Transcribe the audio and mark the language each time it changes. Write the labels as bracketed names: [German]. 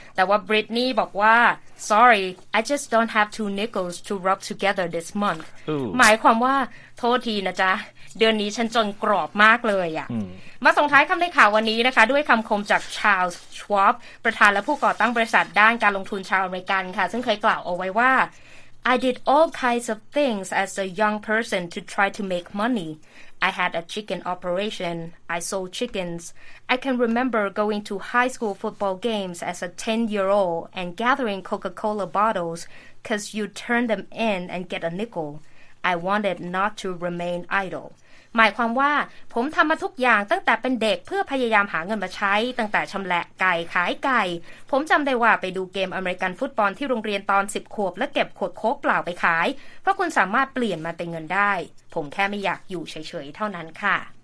[Thai] แต่ว่าบริตนีย์บอกว่า [English] sorry I just don't have two nickels to rub together this month [Thai] หมายความว่าโทษทีนะจ๊ะเดือนนี้ฉันจนกรอบมากเลยอะมาส่งท้ายคำในข่าววันนี้นะคะด้วยคำคมจากชาลส์ชวอบประธานและผู้ก่อตั้งบริษัทด้านการลงทุนชาวอเมริกันค่ะซึ่งเคยกล่าวเอาไว้ว่า [English] I did all kinds of things as a young person to try to make moneyI had a chicken operation. I sold chickens. I can remember going to high school football games as a 10-year-old and gathering Coca-Cola bottles because you turn them in and get a nickel. I wanted not to remain idle. [Thai] หมายความว่าผมทำมาทุกอย่างตั้งแต่เป็นเด็กเพื่อพยายามหาเงินมาใช้ตั้งแต่ชำแหละไก่ขายไก่ผมจำได้ว่าไปดูเกมอเมริกันฟุตบอลที่โรงเรียนตอน10ขวบและเก็บขวดโค้กเปล่าไปขายเพราะคุณสามารถเปลี่ยนมาเป็นเงินได้ผมแค่ไม่อยากอยู่เฉยๆเท่านั้นค่ะ